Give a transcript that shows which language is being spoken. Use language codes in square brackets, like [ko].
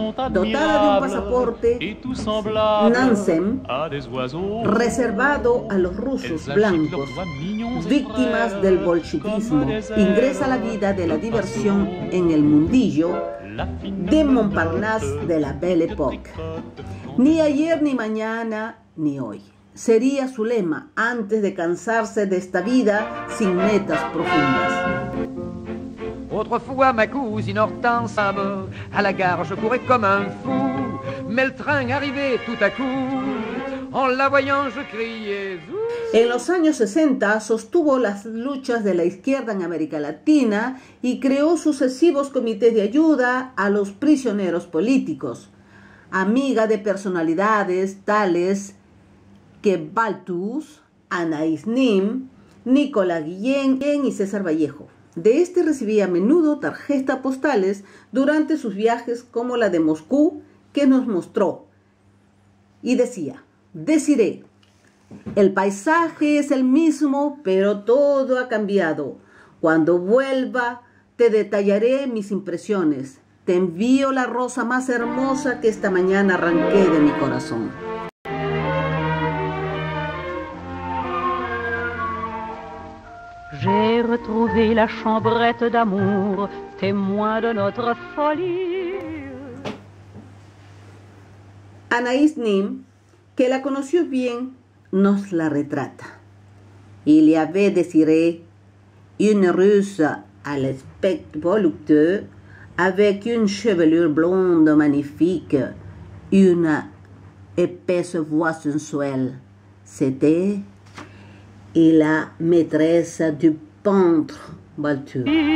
[es] Dotada de un pasaporte Nansen, reservado a los rusos blancos, víctimas del bolchevismo, ingresa a la vida de la diversión en el mundillo de Montparnasse de la Belle Époque. Ni ayer, ni mañana, ni hoy sería su lema antes de cansarse de esta vida sin metas profundas. [fr] Autrefois, ma cousine Hortense, à la gare, je courais comme un fou. Mais le train arrivait tout à coup, en la voyant, je criais. [es] En los años 60, sostuvo las luchas de la izquierda en América Latina y creó sucesivos comités de ayuda a los prisioneros políticos. Amiga de personalidades tales que Baltus, Anaïs Nin, Nicolás Guillén y César Vallejo. De este recibía a menudo tarjetas postales durante sus viajes, como la de Moscú, que nos mostró. Y decía: Desiré, el paisaje es el mismo, pero todo ha cambiado. Cuando vuelva, te detallaré mis impresiones. Te envío la rosa más hermosa que esta mañana arranqué de mi corazón. [fr] J'ai retrouvé la chambrette d'amour, témoin de notre folie. [es] Anaïs Nin, que la conoció bien, nos la retrata. [fr] Il y avait Desiré, une russe à l'aspect voluptueux, avec une chevelure blonde magnifique, une épaisse voix sensuelle. C'était et la maîtresse du peintre Baltus.